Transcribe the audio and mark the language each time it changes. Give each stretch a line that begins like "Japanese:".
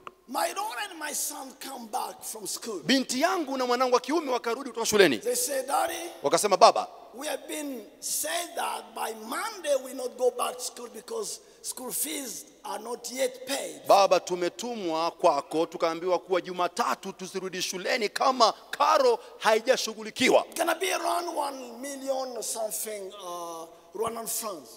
English: My daughter and my son come back from school.
Swahili: Binti yangu na mwanangu wa kiume wakarudi kutoka shuleni.
English: They said, Daddy.
Swahili: Wakasema baba.
English: We have been said that by Monday we not go back to school because school fees are not yet paid.
Swahili: Baba, tumetumwa kwako tukaambiwa kuwa Jumatatu tusirudi shuleni kama karo haijashughulikiwa.
English: Can I be around 1 million or something Rwandan francs.